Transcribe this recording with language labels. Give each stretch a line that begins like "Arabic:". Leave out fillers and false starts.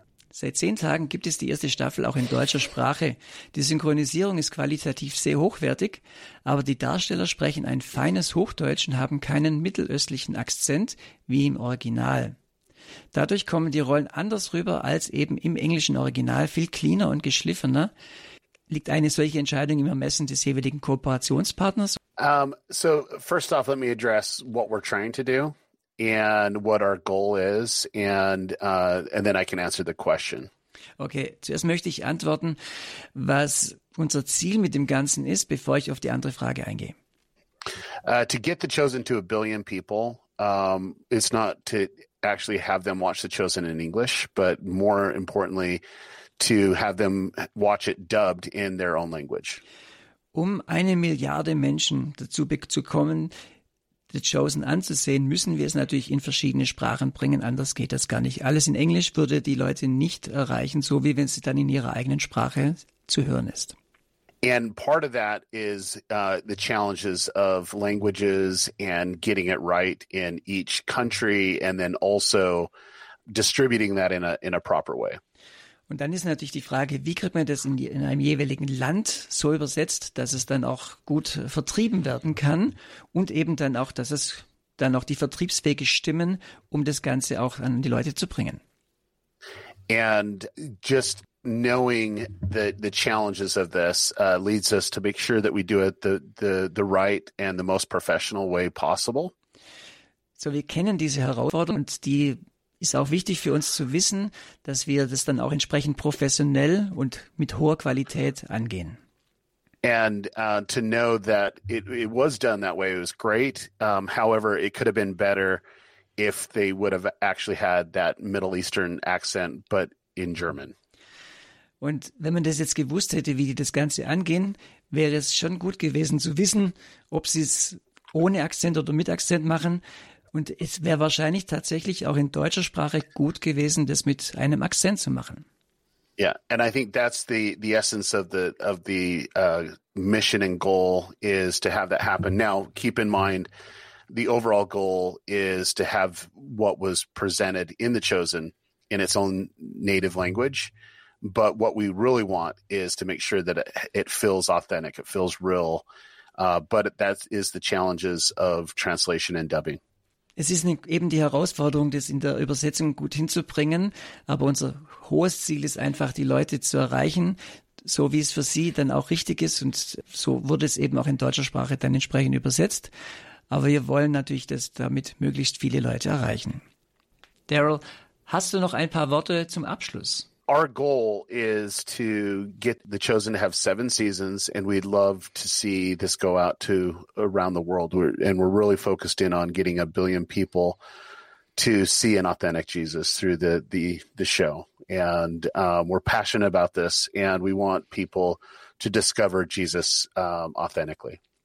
German: Seit 10 Tagen gibt es die erste Staffel auch in deutscher Sprache. Die Synchronisierung ist qualitativ sehr hochwertig, aber die Darsteller sprechen ein feines Hochdeutsch und haben keinen mittelöstlichen Akzent wie im Original. Dadurch kommen die Rollen anders rüber als eben im englischen Original, viel cleaner und geschliffener. Liegt eine solche Entscheidung im Ermessen des jeweiligen Kooperationspartners?
English: So first off, let me address what we're trying to do and what our goal is, and then I can answer the question.
German: Okay, zuerst möchte ich antworten, was unser Ziel mit dem Ganzen ist, bevor ich auf die andere Frage eingehe.
English: To get The Chosen to 1 billion people, it's not to actually have them watch The Chosen in English, but more importantly, to have them watch it dubbed in their own language.
German: Um 1 Milliarde Menschen dazu zu kommen, The Chosen anzusehen, müssen wir es natürlich in verschiedene Sprachen bringen. Anders geht das gar nicht. Alles in Englisch würde die Leute nicht erreichen, so wie wenn es dann in ihrer eigenen Sprache zu hören ist.
English: And part of that is the challenges of languages and getting it right in each country, and then also distributing that in a proper way.
German: Und dann ist natürlich die Frage, wie kriegt man das in einem jeweiligen Land so übersetzt, dass es dann auch gut vertrieben werden kann und eben dann auch, dass es dann auch die Vertriebswege stimmen, um das Ganze auch an die Leute zu bringen.
English: And just knowing the challenges of this leads us to make sure that we do it the right and the most professional way possible.
German: So, wir kennen diese Herausforderung und die ist auch wichtig für uns zu wissen, dass wir das dann auch entsprechend professionell und mit hoher Qualität angehen.
English: And to know that it was done that way, it was great. However, it could have been better if they would have actually had that Middle Eastern accent, but in German.
German: Und wenn man das jetzt gewusst hätte, wie die das Ganze angehen, wäre es schon gut gewesen zu wissen, ob sie es ohne Akzent oder mit Akzent machen. Und es wäre wahrscheinlich tatsächlich auch in deutscher Sprache gut gewesen, das mit einem Akzent zu machen.
English: Yeah, and I think that's the essence of the mission and goal is to have that happen. Now, keep in mind, the overall goal is to have what was presented in The Chosen in its own native language. But what we really want is to make sure that it feels authentic, it feels real. But that is the challenges of translation and dubbing.
German: Es ist eben die Herausforderung, das in der Übersetzung gut hinzubringen. Aber unser hohes Ziel ist einfach, die Leute zu erreichen, so wie es für sie dann auch richtig ist. Und so wurde es eben auch in deutscher Sprache dann entsprechend übersetzt. Aber wir wollen natürlich, dass damit möglichst viele Leute erreichen. Daryl, hast du noch ein paar Worte zum Abschluss?
English: Our goal is to get The Chosen to have 7 seasons, and we'd love to see this go out to around the world. We're really focused in on getting 1 billion people to see an authentic Jesus through the show. And we're passionate about this, and we want people to discover Jesus authentically.